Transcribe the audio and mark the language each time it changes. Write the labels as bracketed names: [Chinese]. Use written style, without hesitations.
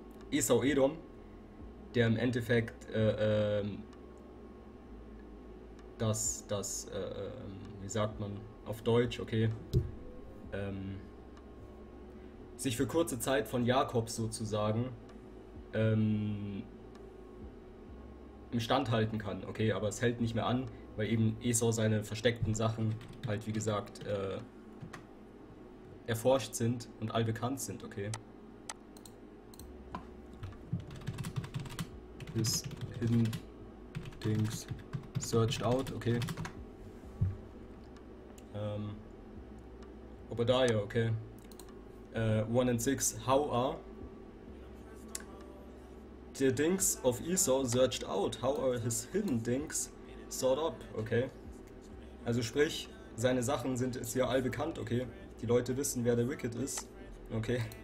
[German] Esau Edom, der im Endeffekt wie sagt man auf Deutsch, okay, sich für kurze Zeit von Jakob sozusagen im Stand halten kann, okay, aber es hält nicht mehr an, weil eben Esau seine versteckten Sachen halt, wie gesagt, erforscht sind und allbekannt sind, okay. [English] His hidden things searched out, okay. Obadiah, okay. 1 and 6, how are the things of Esau searched out? How are his hidden things sought up, okay. [German] Also sprich, seine Sachen sind jetzt hier allbekannt, okay. Die Leute wissen, wer der Wicked ist, okay.